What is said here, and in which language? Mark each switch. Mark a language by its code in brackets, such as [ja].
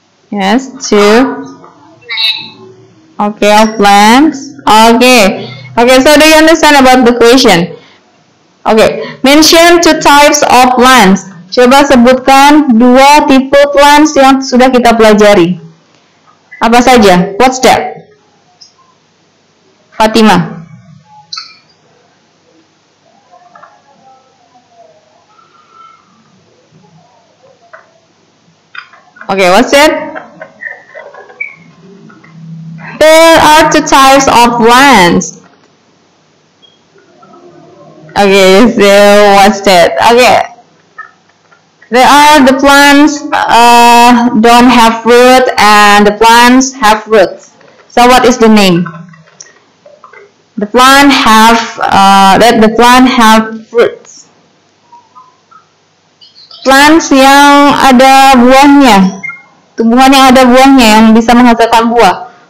[en] Yes, 2. Okay, of lamps. Okay. Okay, so do you understand about the question? Okay, mention 2 types of lamps. [id] Coba sebutkan 2 tipe lamps yang sudah kita pelajari. Apa saja? [en] What's that? [id] Fatima. [en] Okay, what's that? There are 2 types of lamps. Okay, so what's that? Okay. There are the plants don't have root and the plants have roots. So what is the name? The plant have that the plant have fruits. [id] Plants yang ada buahnya. Tumbuhan yang ada buahnya yang bisa menghasilkan buah.